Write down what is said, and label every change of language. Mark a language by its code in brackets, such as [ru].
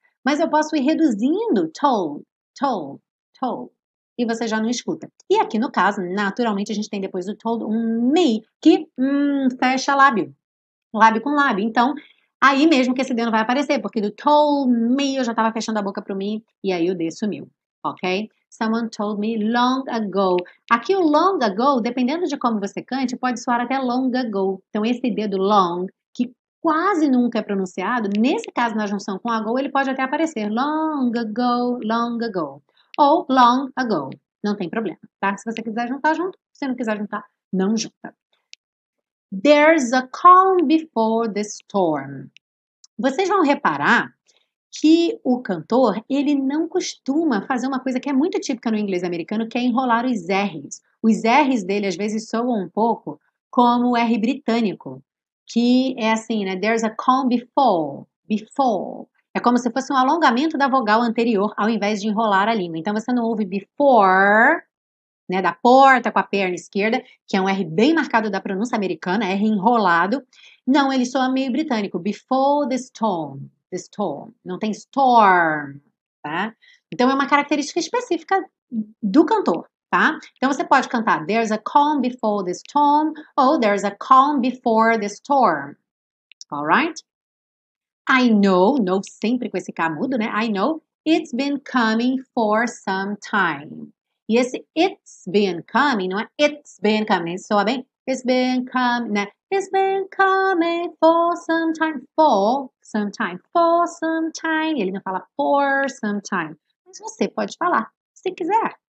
[pt] Mas eu posso ir reduzindo, [en] told, told, told, [pt] e você já não escuta. E aqui no caso, naturalmente, a gente tem depois do told um me, que fecha lábio, lábio com lábio. Então, aí mesmo que esse D não vai aparecer, porque do [en] told me [pt] eu já estava fechando a boca para o me, e aí o D sumiu, ok? [en] Someone told me long ago. [pt] Aqui o [en] long ago, [pt] dependendo de como você cante, pode soar até long ago. Então esse dedo long, que quase nunca é pronunciado, nesse caso na junção com ago, ele pode até aparecer. [en] Long ago, long ago. [pt] Ou [en] long ago. [pt] Não tem problema, tá? Se você quiser juntar, junto. Se não quiser juntar, não junta. [en] There's a calm before the storm. [pt] Vocês vão reparar que o cantor, ele não costuma fazer uma coisa que é muito típica no inglês americano, que é enrolar os R's. Os R's dele, às vezes, soam um pouco como o R britânico, que é assim, né? [en] There's a calm before, before. [pt] É como se fosse um alongamento da vogal anterior, ao invés de enrolar a língua. Então, você não ouve before, né? Da porta com a perna esquerda, que é um R bem marcado da pronúncia americana, R enrolado. Não, ele soa meio britânico. [en] Before the storm. The storm, [pt] não tem storm, tá? Então é uma característica específica do cantor, tá? Então você pode cantar [en] There's a calm before the storm [pt] ou [en] There's a calm before the storm. Alright? I know, know [pt] sempre com esse K mudo, né? [en] I know it's been coming for some time. [pt] E esse [en] it's been coming, [pt] não é it's been coming, soa bem? [en] It's been coming, [pt] né? [en] It's been coming for some time, for some time, for some time. [pt] Ele não fala [en] for some time. [pt] Mas você pode falar, se quiser.